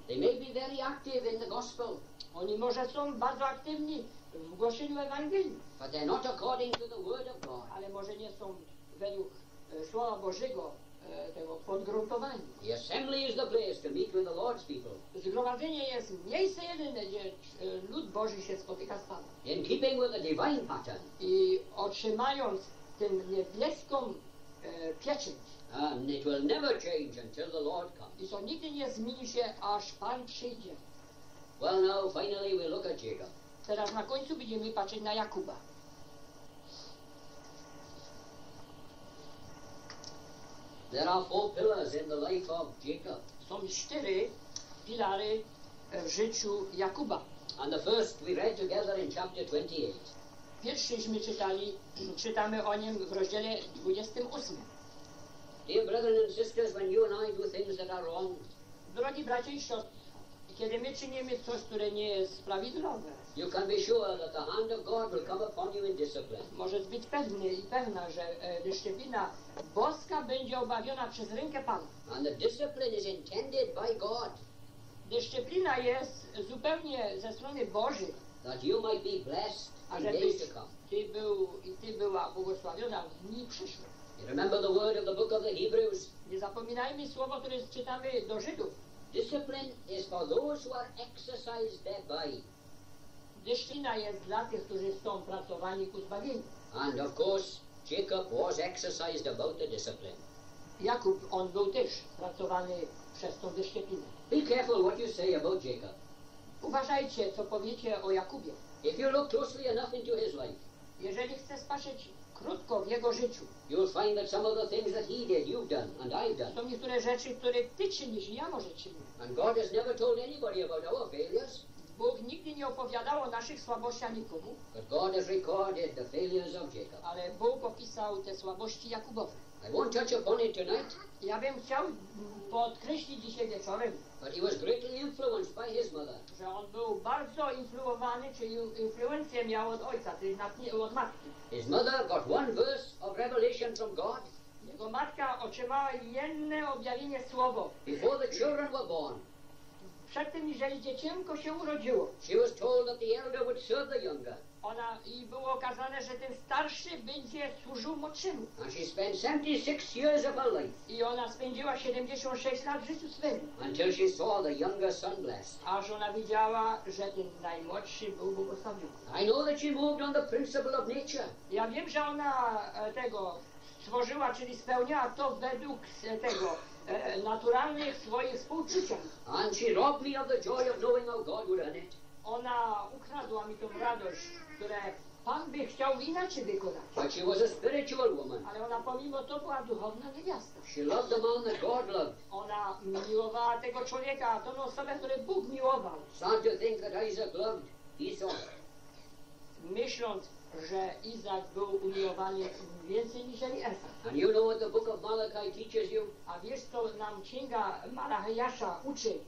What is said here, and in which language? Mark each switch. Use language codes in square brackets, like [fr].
[en] They may be very active in the gospel. [pl] Oni może są bardzo aktywni w głoszeniu Ewangelii. [en] But they're not according to the word of God. [pl] Ale może nie są według Słowa Bożego tego podgruntowania. [en] The assembly is the place to meet with the Lord's people. [pl] Zgromadzenie jest miejsce jedyne, gdzie lud Boży się spotyka z Panem. [en] In keeping with the divine pattern. [pl] I otrzymając tę niebieską pieczęć. [en] And it will never change until the Lord comes. [pl] I to nigdy nie zmieni się, aż Pan przyjdzie. [en] Well, now finally we look at Jacob. [pl] Teraz na końcu będziemy patrzeć na Jakuba. [en] There are four pillars in the life of Jacob. [pl] Są cztery filary w życiu Jakuba. [en] And the first we read together in chapter 28. [pl] Pierwszyśmy czytali, czytamy o nim w rozdziale 28. [en] Dear brothers and sisters, when you and I do things that are wrong. [pl] Drogi bracia i siostry, kiedy my czynimy coś, które nie jest prawidłowe. [en] You can be sure that the hand of God will come upon you in discipline. [pl] Możesz być pewny i pewna, że dyscyplina boska będzie obawiona przez rękę Pana. [en] And the discipline is intended by God. [pl] Dyscyplina jest zupełnie ze strony Bożej. [en] That you might be blessed in days to come. [pl] Ty był i ty była błogosławiona w dni przyszłe. [en] You remember the word of the book of the Hebrews. [pl] Nie zapominajmy słowo, które czytamy do Żydów. [en] Discipline is for those who are exercised thereby. [pl] Dyscyplina jest dla tych, którzy są pracowani ku zbawieniu. [en] And of course, Jacob was exercised about the discipline. [pl] Jakub, on był też pracowany przez tą dyscyplinę. [en] Be careful what you say about Jacob. [pl] Uważajcie, co powiecie o Jakubie. [en] If you look closely enough into his life. [pl] Jeżeli chcesz patrzeć krótko w jego życiu. [en] You'll find that some of the things that he did, you've done, and I've done. [pl] Są niektóre rzeczy, które ty czynisz, ja może czynię. [en] And God has never told anybody about our failures. [pl] Bóg nigdy nie opowiadał o naszych słabościach nikomu. [en] But God has recorded the failures of Jacob. [pl] Ale Bóg opisał te słabości Jakubowe. [en] I won't touch upon it tonight. [pl] Ja bym chciał podkreślić dzisiaj wieczorem. [en] But he was greatly influenced by his mother. [pl] Że on był bardzo influowany, czy influencję miał od ojca, czyli od matki. [en] His mother got one verse of revelation from God. [pl] Jego matka otrzymała jedne objawienie słowo. [en] Before the children were born. [pl] Przed tym, jeżeli dziecięko się urodziło. [en] She was told that the elder would serve the younger. [pl] Ona i było okazane, że ten starszy będzie służył młodszemu. [en] And she spent 76 years of her life. [pl] I ona spędziła 76 lat w życiu swym. [en] Until she saw the younger son blessed. [pl] Aż ona widziała, że ten najmłodszy był błogosławiony. [en] I know that she moved on the principle of nature. [pl] Ja wiem, że ona tego stworzyła, czyli spełniała to według tego naturalnych swoich współczuciach. [en] And she robbed me of the joy of knowing how God would earn it. [pl] Ona ukradła mi tą radość, które Pan by chciał inaczej wykonać. [en] But she was a spiritual woman. [pl] Ale ona pomimo to była duchowna niewiasta. [en] She loved the man that God loved. [pl] Ona miłowała tego człowieka, tą osobę, które Bóg miłował. [en] Sad to think that Isaac loved Esau. [pl] Myśląc, że Izak był umiłowany więcej niż Esau. [en] And you know what the book of Malachi teaches you? [pl] A wiesz, co nam księga Malachiasza uczy?